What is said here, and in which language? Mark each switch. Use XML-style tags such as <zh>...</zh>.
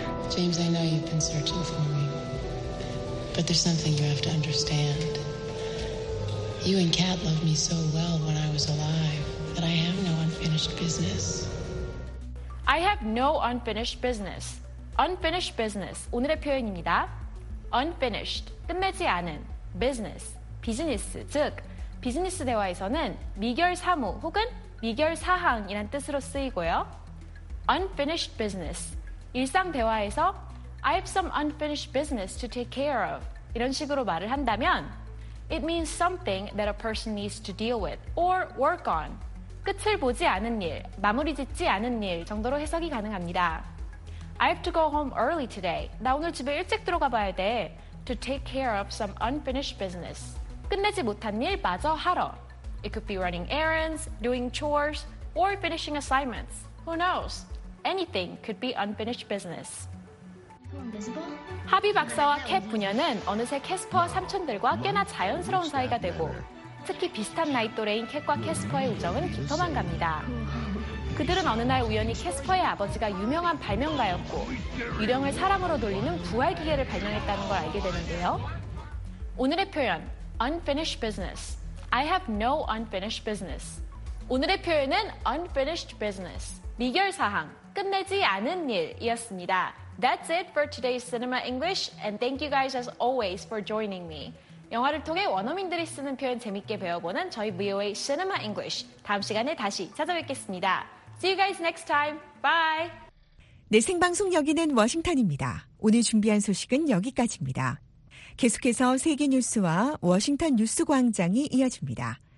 <en>James, I know you've been searching for me. But there's something you have to understand. You and Kat loved me so well when I was alive that I have no unfinished business. I have no unfinished business.</en> <ko>Unfinished business, 오늘의 표현입니다. Unfinished, 끝내지 않은, business, 비즈니스, 즉, 비즈니스 대화에서는 미결 사무 혹은 미결 사항이란 뜻으로 쓰이고요.</ko> <en>Unfinished business,</en> <ko>일상 대화에서</ko> <en>I have some unfinished business to take care of,</en> <ko>이런 식으로 말을 한다면</ko> <en>It means something that a person needs to deal with or work on.</en> <ko>끝을 보지 않은 일, 마무리 짓지 않은 일 정도로 해석이 가능합니다.</ko> <en>I have to go home early today.</en> <ko>나 오늘 집에 일찍 들어가 봐야 돼.</ko> <en>To take care of some unfinished business.</en> <ko>끝내지 못한 일 마저 하러.</ko> <en>It could be running errands, doing chores, or finishing assignments. Who knows? Anything could be unfinished business.</en> <ko>하비 박사와 캣 부녀는 어느새 캐스퍼와 삼촌들과 꽤나 자연스러운 사이가 되고 특히 비슷한 나이 또래인 캣과 캐스퍼의 우정은 깊어만 갑니다. 그들은 어느 날 우연히 캐스퍼의 아버지가 유명한 발명가였고 유령을 사람으로 돌리는 부활기계를 발명했다는 걸 알게 되는데요. 오늘의 표현, unfinished business.</ko> <en>I have no unfinished business.</en> <ko>오늘의 표현은 unfinished business, 미결사항, 끝내지 않은 일이었습니다.</ko> <en>That's it for today's Cinema English, and thank you guys as always for joining me.</en> <ko>영화를 통해 원어민들이 쓰는 표현 재밌게 배워보는 저희 VOA Cinema English. 다음 시간에 다시 찾아뵙겠습니다.</ko> <en>See you guys next time. Bye!</en> <ko>네, 생방송 여기는 워싱턴입니다. 오늘 준비한 소식은 여기까지입니다. 계속해서 세계 뉴스와 워싱턴 뉴스 광장이 이어집니다.</ko>